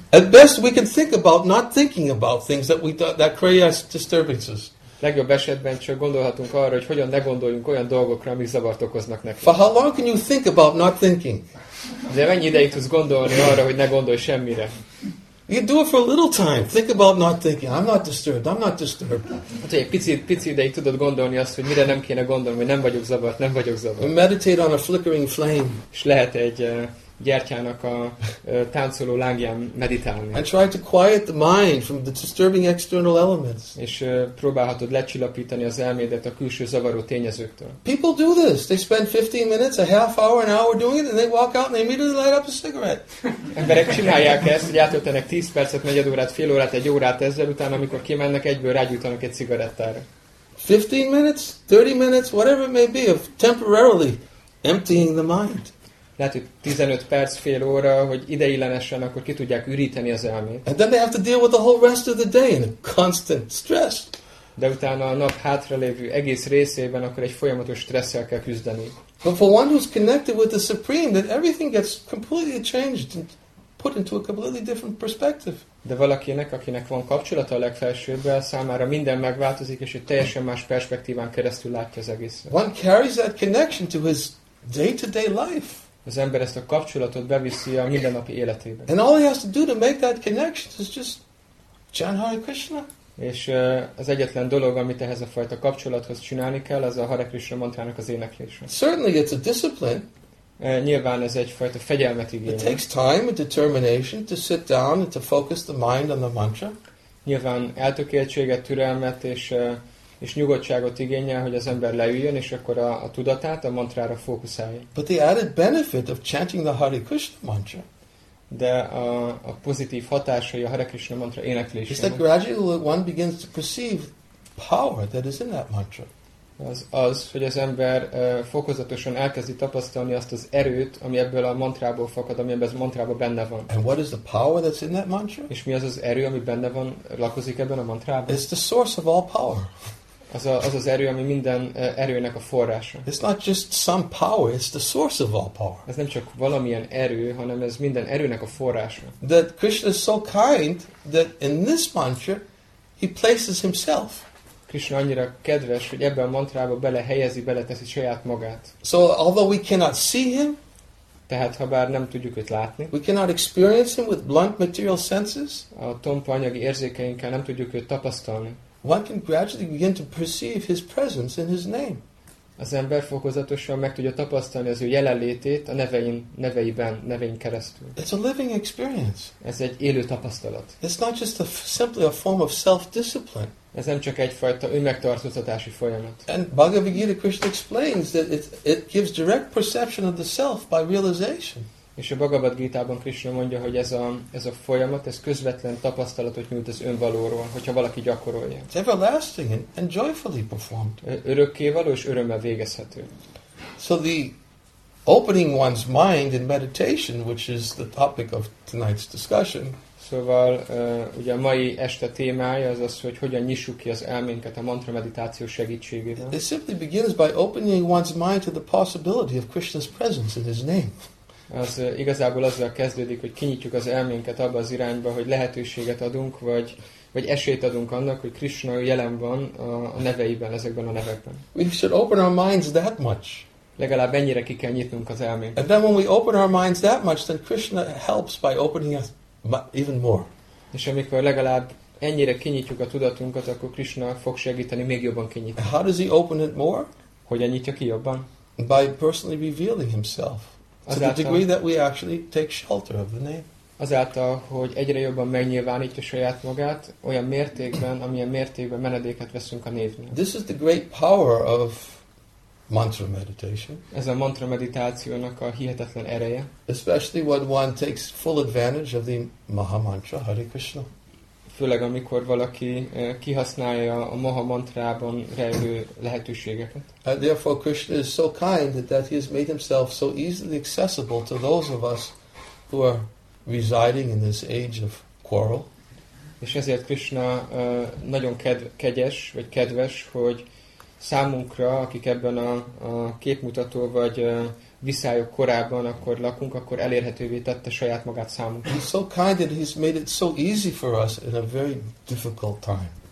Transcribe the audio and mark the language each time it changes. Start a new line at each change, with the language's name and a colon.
English: At best we can think about not thinking about things that create us disturbances.
Hungarian: Legjobb esetben csak gondolhatunk arra, hogy hogyan ne gondoljunk olyan dolgokra, amik zavart okoznak nekünk.
English: For how long can you think about not thinking?
Hungarian: De mennyi ideig tudsz gondolni arra, hogy ne gondolj semmire?
English: You do it for a little time. Think about not thinking. I'm not disturbed.
Hungarian: Hát, egy pici ideig tudod gondolni azt, hogy mire nem kéne gondolni, hogy nem vagyok zavart.
English: Meditate on a flickering flame.
Hungarian: És lehet egy gyertyának a táncoló lángján meditálni.
English: And try to quiet the mind from the disturbing external elements.
Hungarian: És próbálhatod lecsillapítani az elmédet a külső zavaró tényezőktől.
English: People do this. They spend 15 minutes, a half hour, an hour doing it, and they walk out and they immediately light up a cigarette.
Hungarian: Emberek csinálják ezt, hogy átöltenek 10 percet, negyed órát, fél órát, egy órát ezzel, utána amikor kimennek, egyből rágyújtanak egy cigarettára.
English: 15 minutes, 30 minutes, whatever it may be, of temporarily emptying the mind.
Hungarian: Lehet, hogy 15 perc, fél óra, hogy ideillenesen, akkor ki tudják üríteni az elmét.
English: And then they have to deal with the whole rest of the day in a constant stress.
Hungarian: De utána a nap hátralévő egész részében, akkor egy folyamatos stresszel kell küzdeni.
English: But for one who's connected with the Supreme, then everything gets completely changed and put into a completely different perspective.
Hungarian: De valakinek, akinek van kapcsolata a legfelsőbbel, számára minden megváltozik, és egy teljesen más perspektíván keresztül látja az egészet.
English: One carries that connection to his day-to-day life.
Hungarian: Az ember ezt a kapcsolatot beviszi a mindennapi életében.
English: And all he has to do to make that connection is just chant Hare Krishna.
Hungarian: És az egyetlen dolog, amit ehhez a fajta kapcsolathoz csinálni kell, az a Hare Krishna mantrának az éneklése.
English: Certainly it's a discipline.
Hungarian: Nyilván ez egyfajta fegyelmet igényel.
English: It takes time and determination to sit down and to focus the mind on the mantra.
Hungarian: Nyilván eltökéltséget, türelmet és és nyugodtságot igényel, hogy az ember leüljön, és akkor a tudatát a mantrára fókuszálja.
English: But the added benefit of chanting the Hare Krishna mantra.
Hungarian: De a pozitív hatásai a Hare Krishna mantra éneklésének.
English: Is that gradually one begins to perceive power that is in that mantra.
Hungarian: Az, hogy az ember fokozatosan elkezdi tapasztalni azt az erőt, ami ebből a mantrából fakad, ami ebben a mantrából benne van.
English: And what is the power that's in that mantra?
Hungarian: És mi az az erő, ami benne van, lakozik ebben a mantrában?
English: It's the source of all power.
Hungarian: Az az erő, ami minden erőnek a forrása.
English: It's not just some power, it's the source of all power.
Hungarian: Ez nem csak valamilyen erő, hanem ez minden erőnek a forrása.
English: That Krishna is so kind that in this mantra he places himself.
Hungarian: Krishna annyira kedves, hogy ebben a mantrába belehelyezi, beleteszi saját magát.
English: So although we cannot see him,
Hungarian: tehát ha bár nem tudjuk őt látni,
English: we cannot experience him with blunt material senses,
Hungarian: a tompa anyagi érzékeinkkel nem tudjuk őt tapasztalni.
English: One can gradually begin to perceive his presence in his name.
Hungarian: Az ember fokozatosan meg tudja tapasztalni az ő jelenlétét a neveiben keresztül.
English: It's a living experience.
Hungarian: Ez egy élő tapasztalat.
English: It's not just simply a form of self-discipline.
Hungarian: Ez nem csak egyfajta önmegtartóztatási folyamat.
English: And Bhagavad Gita Krishna explains that it gives direct perception of the self by realization.
Hungarian: És a Bhagavad Gita-ban Krishna mondja, hogy ez a folyamat, ez közvetlen tapasztalatot nyújt az önvalóról, hogyha valaki gyakorolja.
English: It's everlasting and joyfully performed.
Hungarian: Örökkévaló és örömmel végezhető.
English: So the opening one's mind in meditation, which is the topic of tonight's discussion.
Hungarian: Szóval, ugye a mai este témája az, hogy hogyan nyissuk ki az elménket a mantra meditáció segítségével.
English: It simply begins by opening one's mind to the possibility of Krishna's presence in his name.
Hungarian: Az igazából azzal kezdődik, hogy kinyitjuk az elménket abba az irányba, hogy lehetőséget adunk, vagy esélyt adunk annak, hogy Krishna jelen van a neveiben, ezekben a nevekben.
English: We should open our minds that much.
Hungarian: Legalább ennyire ki kell nyitnunk az elménket.
English: And then when we open our minds that much, then Krishna helps by opening us even more.
Hungarian: És amikor legalább ennyire kinyitjuk a tudatunkat, akkor Krishna fog segíteni még jobban kinyitni.
English: How does he open it more?
Hungarian: Hogyan nyitja ki jobban?
English: By personally revealing himself.
Hungarian: Azáltal,
English: to the degree that we actually take shelter of the name.
Hungarian: Azáltal, hogy egyre jobban megnyilvánítja saját magát, olyan mértékben, amilyen mértékben menedéket veszünk a névnél.
English: This is the great power of mantra meditation.
Hungarian: Ez a mantra meditációnak a hihetetlen ereje.
English: Especially when one takes full advantage of the Maha Mantra, Hare Krishna.
Hungarian: Főleg amikor valaki kihasználja a Maha Mantrában rejlő lehetőségeket.
English: And therefore Krishna is so kind that he has made himself so easily accessible to those of us who are residing in this age of quarrel.
Hungarian: És ezért Krishna nagyon kegyes, vagy kedves, hogy számunkra, akik ebben a képmutató vagy viszályok korában akkor lakunk, akkor elérhetővé tette saját magát számunkra.
English: He's so kind that he's made it so easy for us in a very difficult time.